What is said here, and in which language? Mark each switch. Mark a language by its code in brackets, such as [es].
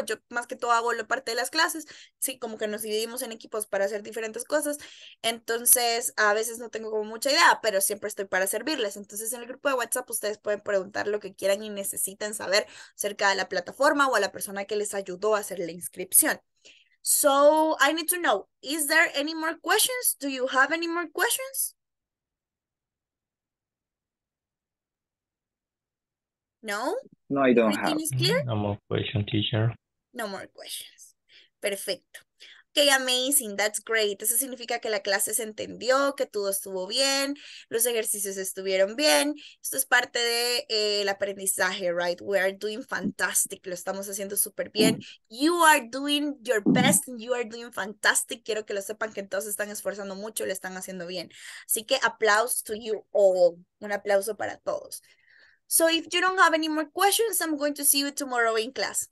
[es] Yo más que todo hago lo parte de las clases. Sí, como que nos dividimos en equipos para hacer diferentes cosas. Entonces, a veces no tengo como mucha idea, pero siempre estoy para servirles. Entonces, en el grupo de WhatsApp, ustedes pueden preguntar lo que quieran y necesiten saber acerca de la plataforma o a la persona que les ayudó a hacer la inscripción. [en] So, I need to know, is there any more questions? Do you have any more questions? No? No, I don't have Everything is clear? no more question, teacher. No more questions. Perfecto. Okay, amazing, that's great. [es] Eso significa que la clase se entendió, que todo estuvo bien, los ejercicios estuvieron bien. Esto es parte de el aprendizaje, right? [en] We are doing fantastic, [es] lo estamos haciendo súper bien. [en] You are doing your best and you are doing fantastic. [es] Quiero que lo sepan que todos están esforzando mucho, lo están haciendo bien. Así que [en] applause to you all. [es] Un aplauso para todos. [en] So if you don't have any more questions, I'm going to see you tomorrow in class.